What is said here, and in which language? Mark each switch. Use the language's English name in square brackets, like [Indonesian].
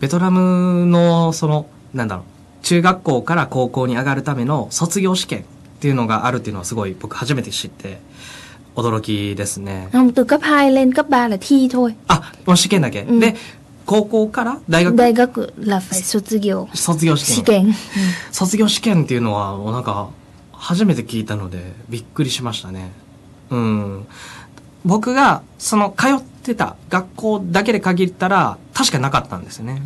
[Japanese] ベトナムの、その、なんだろう。中学校から高校に上がるための卒業試験っていうのがあるっていうのはすごい僕初めて知って驚きですね。 [Vietnamese] Không, từ cấp 2 lên cấp 3 là thi thôi. [Japanese] あ、もう試験だけ。で、高校から大学、大学ラフ卒業、卒業試験、卒業試験っていうのはもうなんか初めて聞いたのでびっくりしましたね。僕がその通ってた学校だけで限ったら確かなかったんですよね。